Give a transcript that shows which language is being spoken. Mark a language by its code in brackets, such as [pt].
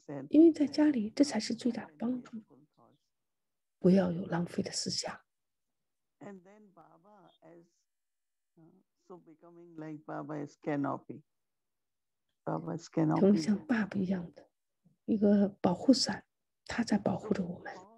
[zh] 因为在家里，这才是最大的帮助。不要有浪费的思想。 [en] And then Baba is so becoming like Baba is canopy. Baba is canopy. [zh] 成为像爸爸一样的一个保护伞，他在保护着我们。